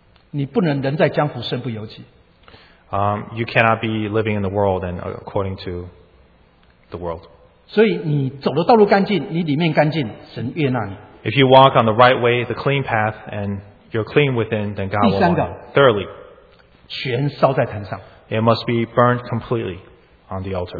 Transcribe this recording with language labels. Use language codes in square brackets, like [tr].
[zh] 你不能人在江湖身不由己。 [en] You cannot be living in the world and according to the world. [zh] 所以你走的道路干净，你里面干净，神悦纳你。 [en] If you walk on the right way, the clean path, and you're clean within, then God will honor you. Thirdly, [zh] 全烧在坛上。 [en] It must be burned completely on the altar.